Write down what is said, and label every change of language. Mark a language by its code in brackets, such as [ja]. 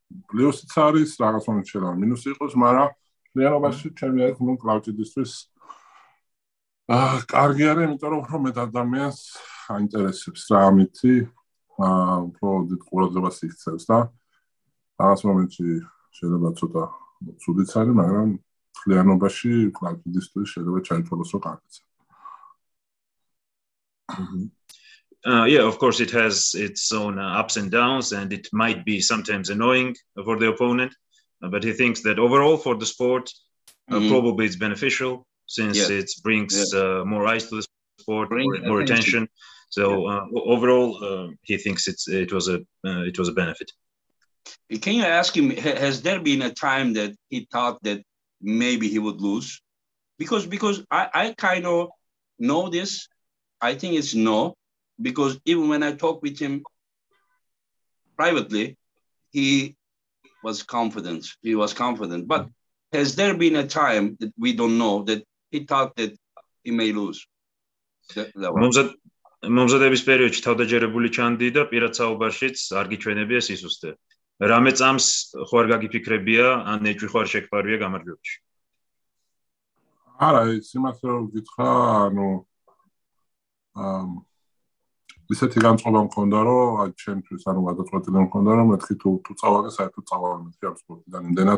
[ka] ბლიუსიც არის, რაღაც მომენტში რა მინუსი იყოს, მაგრამ რეალობაში ჩემი არის რომ კლაუჯისთვის კარგი არის, იმიტომ რომ უფრო მეტ ადამიანს აინტერესებს რა ამითი, უფრო დიდ ყურადღებას იქცევს და რაღაც მომენტში შეიძლება ცოტა ცუდიც არის, მაგრამ კლიანობაში კლაუჯისთვის შეიძლება ჩაითვალოს რომ კარგიც. [en] Yeah, of course, it has its own ups and downs, and it might be sometimes annoying for the opponent. But he thinks that overall for the sport, probably it's beneficial since it brings more eyes to the sport, more attention. So overall, he thinks it was a benefit. Can you ask him? Has there been a time that he thought that maybe he would lose? Because I kind of know this. I think it's no. Because even when I talk with him privately, he was confident. He was confident. But has there been a time that we don't know that he thought that he may lose? [ka] მომზადების პერიოდში თავდაჯერებული ჩანდი და პირად საუბარშიც არ გიჩვენებია სისუსტე. Რამე წამს ხო არ გაგიფიქრებია ან ეჭვი ხო არ შეგფარვია გამარჯვებაში? Არა, სიმართლე რომ გითხრა, ანუ ისეთი განწყობა მქონდა რომ აი ჩემთვის ანუ გადაწყვეტილი მქონდა რომ მეთქი თუ წავალე საერთოდ წავალე მეთქი ამ სპორტიდან